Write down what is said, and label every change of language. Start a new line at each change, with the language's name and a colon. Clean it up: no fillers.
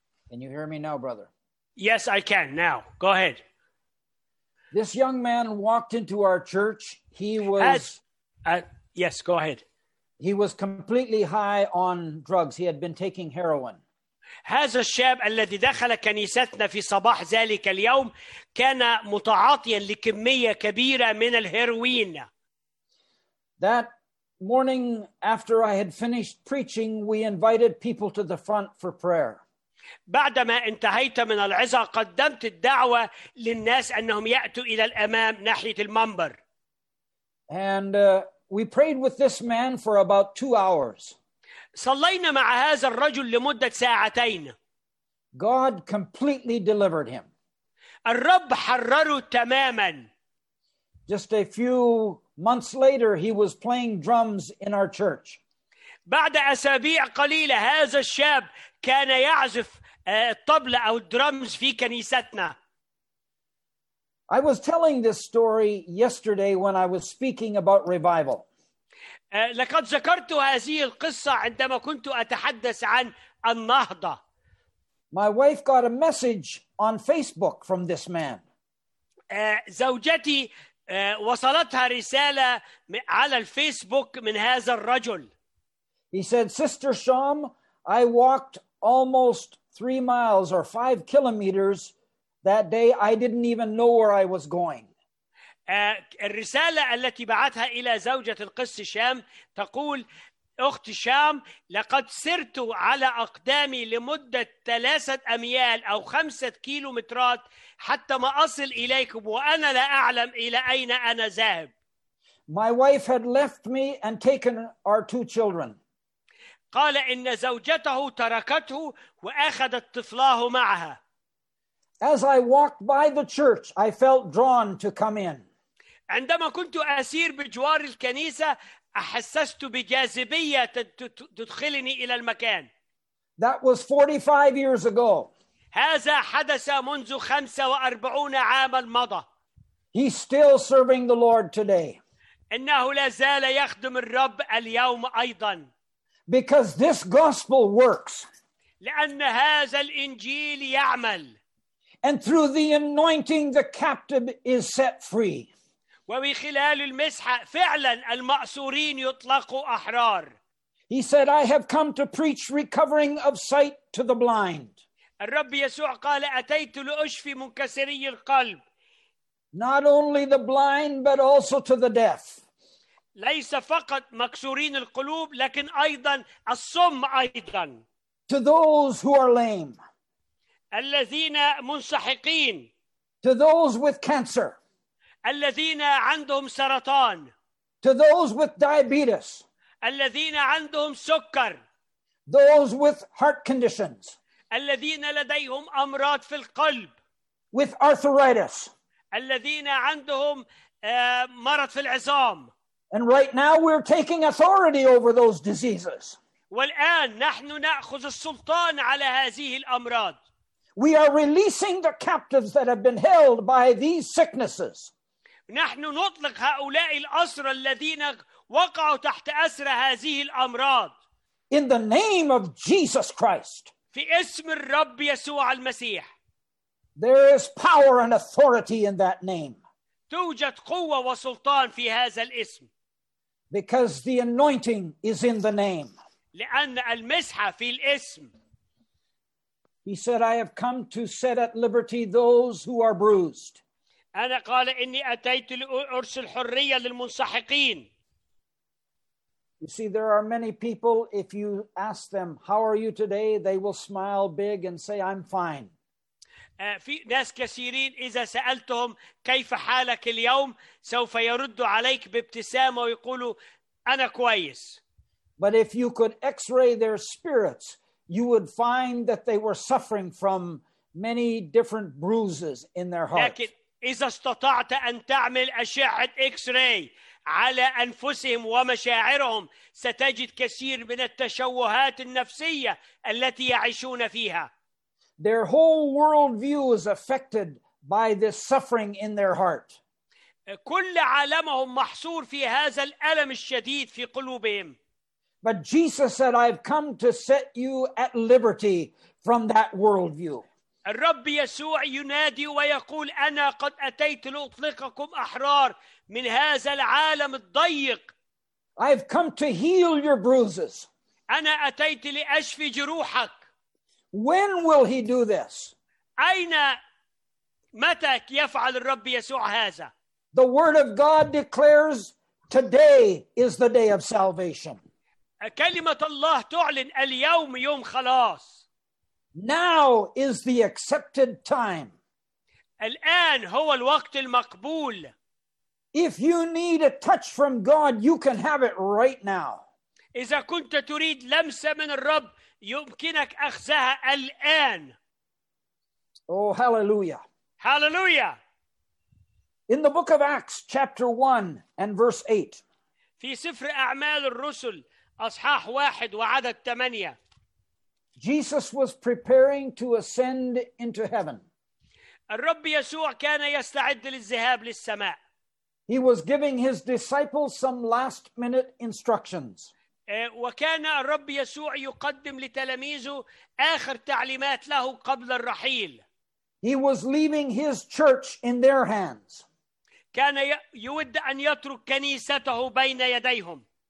English: Can you hear me now, brother? Yes, I can now. Go ahead. This young man walked into our church. He was... yes, go ahead. He was completely high on drugs. He had been taking heroin.
Arabic: هذا الشاب الذي دخل كنيستنا في صباح ذلك اليوم كان متعاطيا لكمية كبيرة من الهيروين.
English: That morning after I had finished preaching, we invited people to the front for prayer.
Arabic: بعدما انتهيت من العظة قدمت الدعوة للناس أنهم يأتوا إلى الأمام ناحية المنبر.
English: And we prayed with this man for about 2 hours.
Arabic: صلينا مع هذا الرجل لمدة ساعتين.
English: God completely delivered him.
Arabic: الرب حرره تماما.
English: Just a few months later, he was playing drums in our church.
Arabic: بعد أسابيع قليلة هذا الشاب كان يعزف الطبلة أو الدرمز في كنيستنا.
English: I was telling this story yesterday when I was speaking about revival.
Arabic: لقد ذكرت هذه القصة عندما كنت أتحدث عن النهضة.
English: My wife got a message on Facebook from this man.
Arabic: زوجتي وصلتها رسالة على الفيسبوك من هذا الرجل.
English: He said, Sister Sham, I walked almost 3 miles or 5 kilometers that day. I didn't even know where I was going.
Arabic: الرسالة التي بعتها إلى زوجة القس شام تقول أخت شام لقد سرت على أقدامي لمدة 3 أميال أو 5 كيلومترات حتى ما أصل إليكم وأنا لا أعلم إلى أين أنا ذاهب.
English: My wife had left me and taken our 2 children.
Arabic: قال إن زوجته تركته وأخذت طفلاه معها.
English: As I walked by the church, I felt drawn to come in.
Arabic: عندما كنت أسير بجوار الكنيسة أحسست بجاذبية تدخلني إلى المكان.
English: That was 45 years ago.
Arabic: هذا حدث منذ 45 عاما مضى.
English: He's still serving the Lord today.
Arabic: إنه لا زال يخدم الرب اليوم أيضا.
English: Because this gospel works.
Arabic: لأن هذا الإنجيل يعمل.
English: And through the anointing, the captive is set free.
Arabic: وبخلال المسحة فعلا المأسورين يطلقوا أحرار.
English: He said, I have come to preach recovering of sight to the blind.
Arabic: الرب يسوع قال أتيت لأشفي منكسري القلب.
English: Not only the blind, but also to the deaf.
Arabic: ليس فقط مكسورين القلوب لكن أيضا الصم أيضا.
English: To those who are lame.
Arabic: الذين منسحقين.
English: To those with cancer.
Arabic: الذين عندهم سرطان.
English: To those with diabetes.
Arabic: الذين عندهم سكر.
English: Those with heart conditions.
Arabic: الذين لديهم أمراض في القلب.
English: With arthritis.
Arabic: الذين عندهم مرض في العظام.
English: And right now we're taking authority over those diseases.
Arabic: والآن نحن نأخذ السلطان على هذه الأمراض.
English: We are releasing the captives that have been held by these sicknesses.
Arabic: نحن نطلق هؤلاء الأسرى الذين وقعوا تحت أسر هذه الأمراض.
English: In the name of Jesus Christ.
Arabic: في اسم الرب يسوع المسيح.
English: There is power and authority in that name.
Arabic: توجد قوة وسلطان في هذا الاسم.
English: Because the anointing is in the name.
Arabic: لأن المسحة في الاسم.
English: He said, I have come to set at liberty those who are bruised.
Arabic: أنا قال إني أتيت لأرسل حرية للمنسحقين.
English: You see, there are many people, if you ask them, how are you today? They will smile big and say, I'm fine.
Arabic: في ناس كثيرين إذا سألتهم كيف حالك اليوم سوف يرد عليك بابتسامة ويقولوا أنا كويس.
English: But if you could x-ray their spirits, you would find that they were suffering from many different bruises in their hearts.
Arabic: لكن إذا استطعت أن تعمل أشعة x-ray على أنفسهم ومشاعرهم ستجد كثير من التشوهات النفسية التي يعيشون فيها.
English: Their whole worldview is affected by this suffering in their heart.
Arabic: كل عالمهم محصور في هذا الألم الشديد في قلوبهم.
English: But Jesus said, I've come to set you at liberty from that worldview.
Arabic: الرب يسوع ينادي ويقول أنا قد أتيت لأطلقكم أحرار من هذا العالم الضيق.
English: I've come to heal your bruises.
Arabic: أنا أتيت لأشفي جروحك.
English: When will he do this?
Arabic: أين متى يفعل الرب يسوع هذا?
English: The word of God declares today is the day of salvation.
Arabic: كلمة الله تعلن اليوم يوم خلاص.
English: Now is the accepted time.
Arabic: الآن هو الوقت المقبول.
English: If you need a touch from God, you can have it right now.
Arabic: إذا كنت تريد لمسة من الرب يمكنك أخذها الآن.
English: Oh, hallelujah. Hallelujah. In the book of Acts, chapter 1 and verse 8.
Arabic: في سفر أعمال الرسل أصحاح 1 وعدد 8.
English: Jesus was preparing to ascend into heaven.
Arabic: الرب يسوع كان يستعد للذهاب للسماء.
English: He was giving his disciples some last minute instructions.
Arabic: وكان الرب يسوع يقدم لتلاميذه آخر تعليمات له قبل الرحيل.
English: He was leaving his church in their hands.
Arabic: كان يود أن يترك كنيسته بين يديهم.